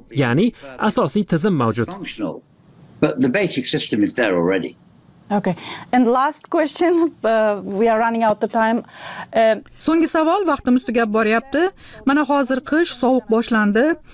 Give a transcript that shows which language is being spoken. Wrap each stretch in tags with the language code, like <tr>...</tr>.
<uz>Ya'ni, asosiy tizim mavjud.</uz> <en>But the basic system is there already. Okay. And last question, we are running out of time.</en> <uz>So'nggi savol, vaqtimiz tugab boryapti. Mana hozir qish, sovuq boshlandi.</uz>